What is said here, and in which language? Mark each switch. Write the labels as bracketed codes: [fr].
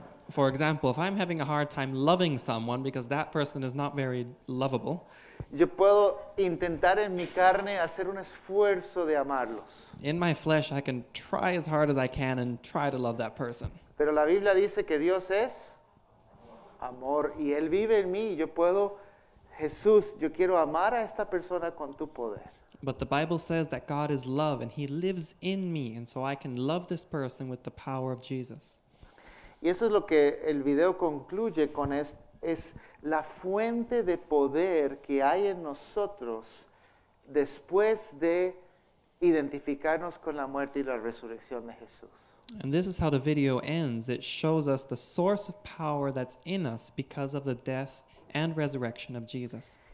[en] For example, if I'm having a hard time loving someone because that person is not very lovable, [es] yo puedo intentar en mi carne hacer un esfuerzo de amarlos. [en] In my flesh, I can try as hard as I can and try to love that person. [es] Pero la Biblia dice que Dios es amor y Él vive en mí. Yo puedo, Jesús, yo quiero amar a esta persona con tu poder. [en] But the Bible says that God is love and He lives in me, and so I can love this person with the power of Jesus. [es] Y eso es lo que el video concluye con, es la fuente de poder que hay en nosotros después de identificarnos con la muerte y la resurrección de Jesús. [en] And this is how the video ends. It shows us the source of power that's in us because of the death and resurrection of Jesus.